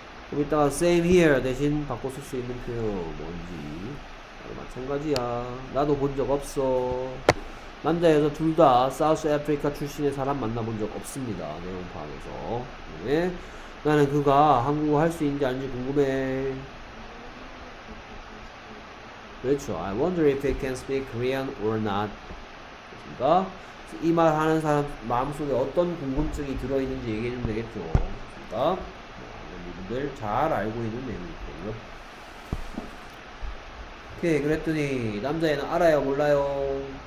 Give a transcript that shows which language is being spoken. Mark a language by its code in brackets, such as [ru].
[ko] 그럼 이따가 [en] same here [ko] 대신 바꿔 쓸 수 있는 표현 뭔지. 나도 마찬가지야. 나도 본 적 없어. 남자에서 둘 다 South Africa 출신의 사람 만나본 적 없습니다. 내용 파악에서. 네. 나는 그가 한국어 할 수 있는지 아닌지 궁금해. 그렇죠. [en] I wonder if he can speak Korean or not. [ko] 그렇습니까? 이 말 하는 사람 마음속에 어떤 궁금증이 들어있는지 얘기해주면 되겠죠. 여러분들 잘 알고 있는 내용이거든요. 오케이. 그랬더니 남자애는 알아요 몰라요?